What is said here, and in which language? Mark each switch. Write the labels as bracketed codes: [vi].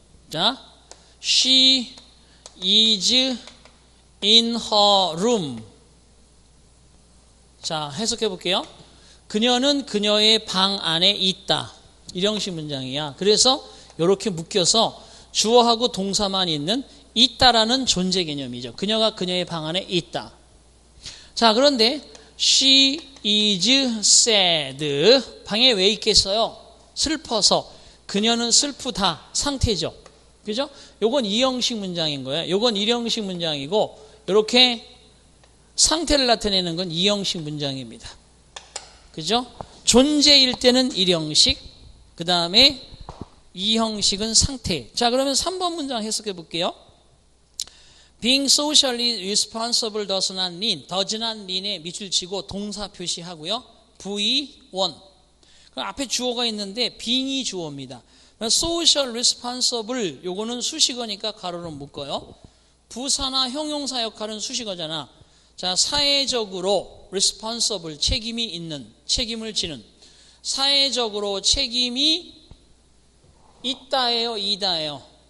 [en] 자, she is in her room. [ko] 자, 해석해 볼게요. 그녀는 그녀의 방 안에 있다. 일형식 문장이야. 그래서 이렇게 묶여서 주어하고 동사만 있는 있다라는 존재 개념이죠. 그녀가 그녀의 방 안에 있다. 자, 그런데 [en] she is sad. [ko] 방에 왜 있겠어요? 슬퍼서. 그녀는 슬프다. 상태죠. 그죠? 요건 이형식 문장인 거예요. 요건 일형식 문장이고 이렇게 상태를 나타내는 건 이형식 문장입니다. 그죠? 존재일 때는 일형식. 그 다음에 이형식은 상태. 자, 그러면 3번 문장 해석해 볼게요. [en] Being socially responsible does not mean [ko] 에 밑줄 치고 동사 표시하고요. V1. 그럼 앞에 주어가 있는데 being이 주어입니다. Social responsible 요거는 수식어니까 가로로 묶어요. 부사나 형용사 역할은 수식어잖아. 자, 사회적으로 responsible 책임이 있는 책임을 지는 사회적으로 책임이 있다예요, 이다예요.